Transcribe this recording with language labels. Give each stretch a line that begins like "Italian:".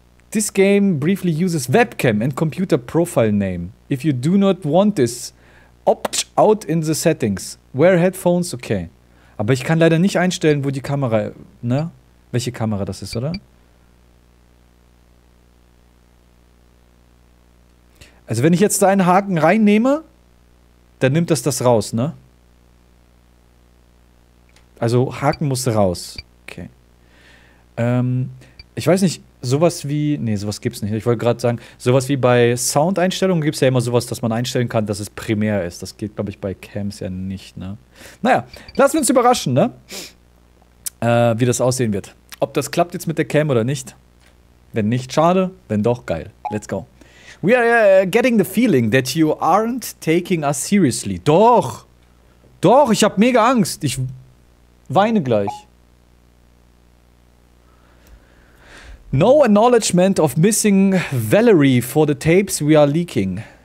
English: This game briefly uses Webcam and computer profile name. If you do not want this, opt out in the settings. Wear headphones, okay.
German: Aber ich kann leider nicht einstellen, wo die Kamera, ne? Welche Kamera das ist, oder? Also wenn ich jetzt da einen Haken reinnehme, dann nimmt das das raus, ne? Also Haken muss raus, okay. Ich weiß nicht, sowas wie, nee, sowas gibt's nicht. Ich wollte gerade sagen, sowas wie bei Soundeinstellungen gibt's ja immer sowas, dass man einstellen kann, dass es primär ist. Das geht, glaube ich, bei Cams ja nicht, ne? Naja, lassen wir uns überraschen, ne? Wie das aussehen wird. Ob das klappt jetzt mit der Cam oder nicht. Wenn nicht, schade. Wenn doch, geil.
English: Let's go. We are getting the feeling that you aren't taking us seriously.
German: Doch. Doch, ich habe mega Angst. Ich weine gleich.
English: No acknowledgement of missing Valerie for the tapes we are leaking.